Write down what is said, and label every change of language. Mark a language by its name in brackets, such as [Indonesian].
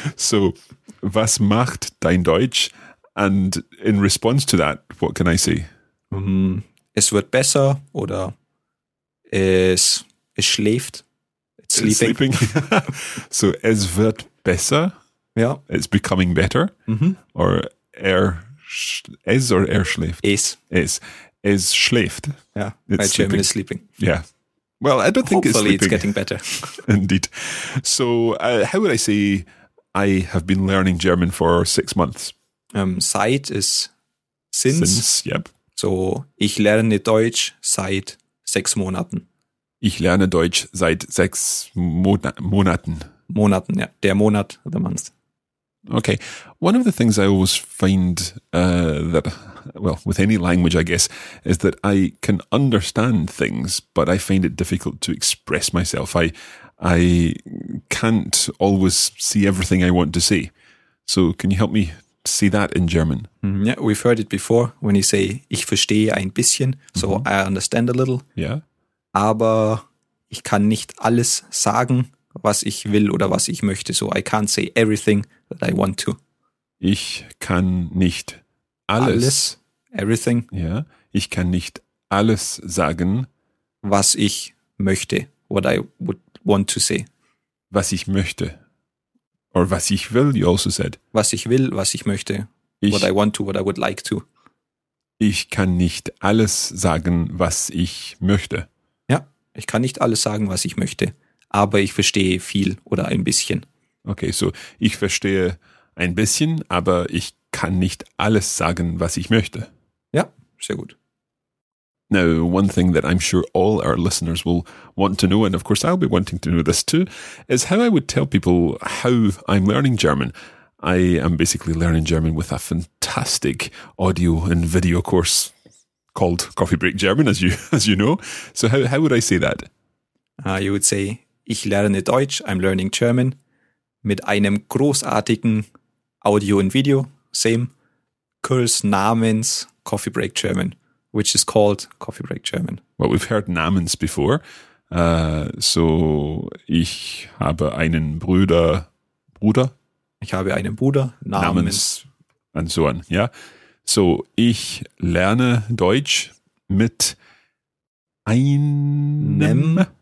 [English] So, [German] was macht dein Deutsch? [English] And in response to that, what can I say? [German] Es wird besser oder es schläft. [English] It's sleeping. It's sleeping. [German] So es wird besser. [English] Yeah. It's becoming better. [German] Or er schläft? Es. Es schläft. [English] Yeah. My German is sleeping. Yeah. Well, I don't think it's sleeping. Hopefully it's getting better. Indeed. So how would I say I have been learning German for 6 months? [German] Seit ist since. [English] Since, yep. [German] So, ich lerne Deutsch seit 6 Monaten. Ich lerne Deutsch seit 6 Monaten. Monaten, ja. Der Monat, [English] the month. Okay. One of the things I always find with any language, I guess, is that I can understand things, but I find it difficult to express myself. I can't always see everything I want to see. So, can you help me see that in German? Yeah, we've heard it before when you say [German] ich verstehe ein bisschen, [English] so I understand a little. Yeah. [German] Aber ich kann nicht alles sagen, was ich will oder was ich möchte, [English] so I can't say everything that I want to. [German] Ich kann nicht alles [English] everything. Yeah. [German] Ich kann nicht alles sagen, was ich möchte, [English] what I would want to say. [German] Was ich möchte. [English] Or [German] was ich will, [English] you also said. [German] Was ich will, was ich möchte. [English] What I want to, what I would like to. [German] Ich kann nicht alles sagen, was ich möchte. Ja, ich kann nicht alles sagen, was ich möchte. Aber ich verstehe viel oder ein bisschen. Okay, so ich verstehe ein bisschen, aber ich kann nicht alles sagen, was ich möchte. Ja, sehr gut. [English] Now, one thing that I'm sure all our listeners will want to know, and of course I'll be wanting to know this too, is how I would tell people how I'm learning German. I am basically learning German with a fantastic audio and video course called Coffee Break German, as you know. So how would I say that? You would say, [German] ich lerne Deutsch, [English] I'm learning German, [German] mit einem großartigen Audio und Video, same, Kurs namens Coffee Break German. [English] Which is called Coffee Break German. Well, we've heard Namens before. [German] So, ich habe einen Bruder. Bruder? Ich habe einen Bruder. Namens. [English] And so on, yeah. [German] So, ich lerne Deutsch mit einem.